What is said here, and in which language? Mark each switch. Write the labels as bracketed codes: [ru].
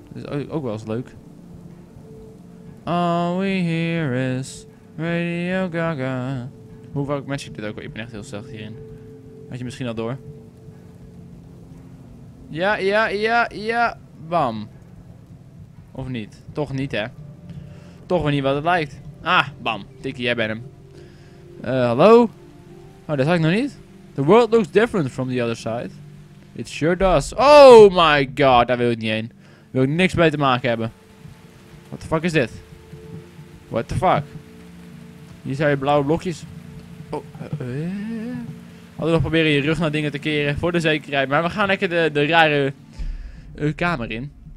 [nl] Dat is ook wel eens leuk. [en] All we hear is Radio Gaga. [nl] Hoe vaak match ik dit ook? Ik ben echt heel slecht hierin. Had je misschien al door? Ja, ja, ja, ja. Bam. Of niet? Toch niet, hè? Toch weer niet wat het lijkt. Ah, bam. Tikkie, jij bent hem. Hallo? Oh, dat zag ik nog niet. [en] The world looks different from the other side. It sure does. [nl] Oh my god, daar wil ik niet heen. Wil ik niks mee te maken hebben. [en] What the fuck [nl] is dit? What the fuck? Hier zijn blauwe blokjes. Oh. Hadden we nog proberen je rug naar dingen te keren voor de zekerheid. Maar we gaan lekker de rare kamer in.